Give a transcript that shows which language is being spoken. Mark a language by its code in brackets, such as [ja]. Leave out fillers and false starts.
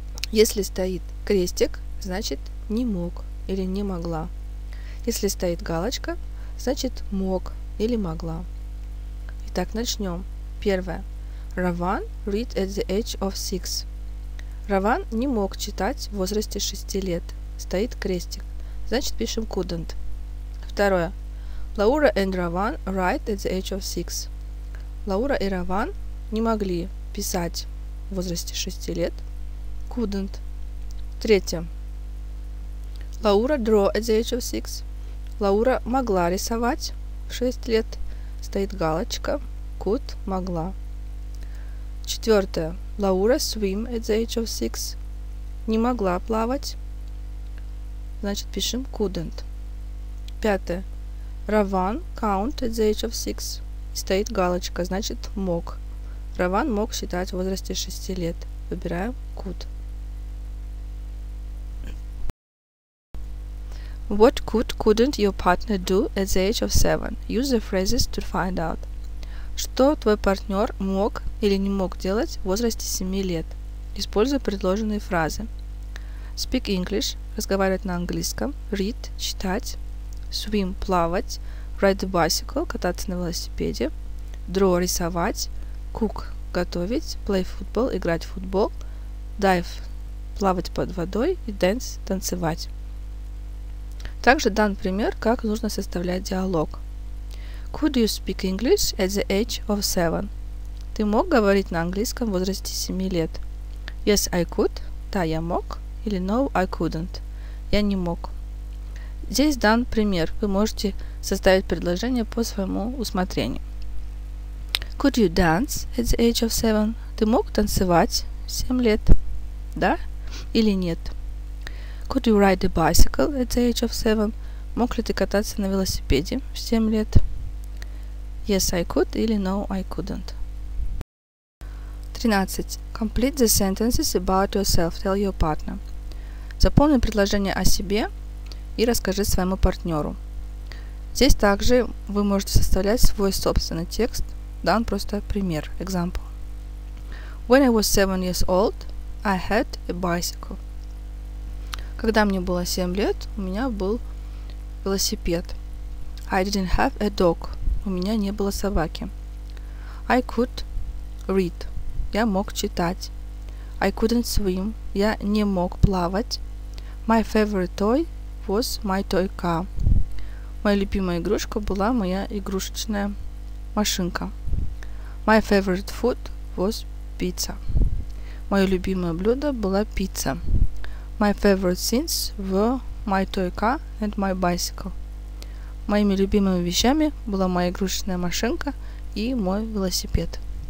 [ru] Если стоит крестик, значит не мог или не могла. Если стоит галочка, значит мог или могла. Итак, начнем. Первое. [en] Раван read at the age of 6. [ru] Раван не мог читать в возрасте 6 лет. Стоит крестик. Значит, пишем couldn't. Второе. [en] Laura and Ravan write at the age of 6. [ru] Лаура и Раван не могли писать в возрасте 6 лет. [en] Couldn't. [ru] Третье. [en] Laura draw at the age of 6. [ru] Лаура могла рисовать в 6 лет. Стоит галочка. Could, могла. Четвертое. [en] Laura swim at the age of 6. [ru] Не могла плавать. Значит, пишем couldn't. Пятое. [en] Раван count at the age of 6. [ru] Стоит галочка. Значит, мог. Раван мог считать в возрасте 6 лет. Выбираем could. [en] What could couldn't your partner do at the age of 7? Use the phrases to find out. [ru] Что твой партнер мог или не мог делать в возрасте 7 лет? Используй предложенные фразы. Speak English – разговаривать на английском. Read – читать. [en] Swim – [ru] плавать. [en] Ride the bicycle – [ru] кататься на велосипеде. Draw – рисовать. Cook – готовить. [en] Play football [ru] – играть в футбол. Dive – плавать под водой. И dance – танцевать. Также дан пример, как нужно составлять диалог. [en] Could you speak English at the age of 7? [ru] Ты мог говорить на английском в возрасте 7 лет? [en] Yes, I could. [ru] Да, я мог. Или [en] no, I couldn't. [ru] Я не мог. Здесь дан пример. Вы можете составить предложение по своему усмотрению. [en] Could you dance at the age of 7? [ru] Ты мог танцевать в 7 лет? Да или нет? [en] Could you ride a bicycle at the age of 7? [ru] Мог ли ты кататься на велосипеде в 7 лет? [en] Yes, I could или no, I couldn't. 13. Complete the sentences about yourself. Tell your partner. [ru] Заполни предложение о себе и расскажи своему партнеру. Здесь также вы можете составлять свой собственный текст. Дан просто пример. Example. [en] When I was 7 years old, I had a bicycle. [ru] Когда мне было 7 лет, у меня был велосипед. [en] I didn't have a dog. [ru] У меня не было собаки. [en] I could read. [ru] Я мог читать. [en] I couldn't swim. [ru] Я не мог плавать. [en] My favorite toy was my toy car. [ru] Моя любимая игрушка была моя игрушечная машинка. [en] My favorite food was pizza. [ru] Мое любимое блюдо была пицца. [en] My favorite things were my toy car and my bicycle. [ru] Моими любимыми вещами была моя игрушечная машинка и мой велосипед.